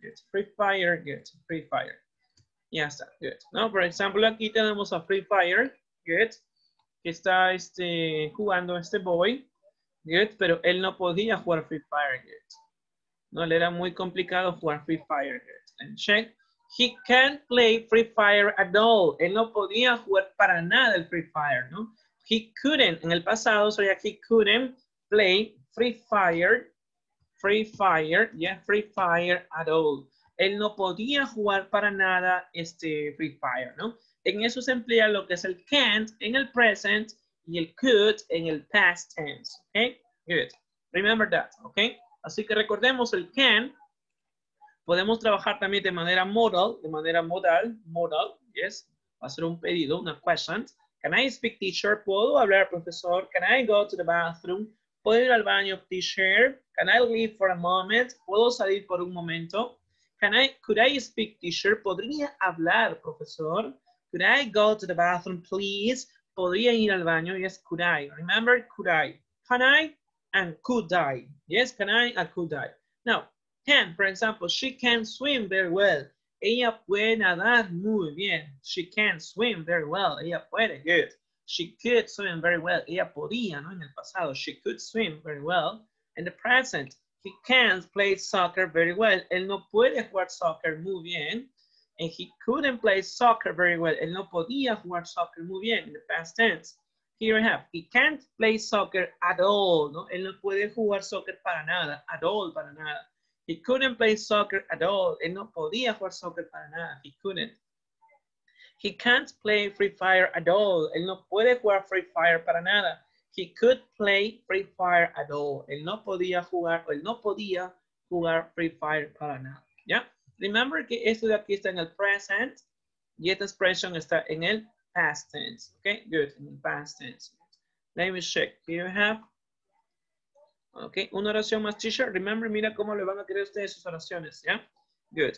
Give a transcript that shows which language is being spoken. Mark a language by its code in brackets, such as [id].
[en] Good. Free Fire, good. Free Fire. Ya está, good. [es] No, por ejemplo, aquí tenemos a Free Fire. Good. Que está jugando este boy. Good. Pero él no podía jugar Free Fire. Good. No, le era muy complicado jugar Free Fire. [en] Good. And check. He can't play Free Fire at all. [es] Él no podía jugar para nada el Free Fire, ¿no? He couldn't. En el pasado, sería [en] he couldn't play Free Fire. [es] Free Fire. [en] Yeah, Free Fire at all. [es] Él no podía jugar para nada Free Fire, ¿no? En eso se emplea lo que es el can't en el present y el could en el past tense. [en] Okay? Good. Remember that, okay? Así que recordemos el can. [es] Podemos trabajar también de manera modal, de manera modal, modal, yes. Va a ser un pedido, una question. [en] Can I speak, teacher? [es] ¿Puedo hablar, profesor? [en] Can I go to the bathroom? [es] ¿Puedo ir al baño, teacher? [en] Can I leave for a moment? [es] ¿Puedo salir por un momento? [en] Can I, could I speak, teacher? [es] ¿Podría hablar, profesor? [en] Could I go to the bathroom, please? ¿Podría ir al baño? Yes, could I. Remember, could I. Can I and could I. Yes, can I and could I. Now, can, for example, she can swim very well. [es] Ella puede nadar muy bien. [en] She can swim very well. [es] Ella puede. [en] Good. [es] She could swim very well. Ella podía, ¿no? En el pasado. She could swim very well. [en] In the present, he can't play soccer very well. [es] Él no puede jugar soccer muy bien. [en] And he couldn't play soccer very well. [es] Él no podía jugar soccer muy bien. [en] In the past tense. Here we have. He can't play soccer at all. [es] ¿No? Él no puede jugar soccer para nada. [en] At all, [es] para nada. [en] He couldn't play soccer at all. [es] Él no podía jugar soccer para nada. [en] He couldn't. He can't play Free Fire at all. [es] Él no puede jugar Free Fire para nada. [en] He could play Free Fire at all. [es] Él no podía jugar, él no podía jugar Free Fire para nada. ¿Ya? Remember que esto de aquí está en el present. Y esta expresión está en el past tense. [en] Okay, good. In the past tense. Let me check. Here you have. [es] Okay, una oración más, teacher. Remember, mira cómo le van a querer ustedes sus oraciones, ¿ya? Good.